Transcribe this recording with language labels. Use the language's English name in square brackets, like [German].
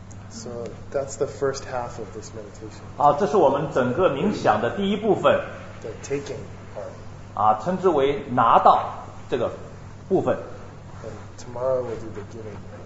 [English] So that's the first half of this meditation. [Chinese] 啊，这是我们整个冥想的第一部分。 [English] The taking part. [Chinese] 啊，称之为拿到这个部分。 [English] And tomorrow we'll do the giving.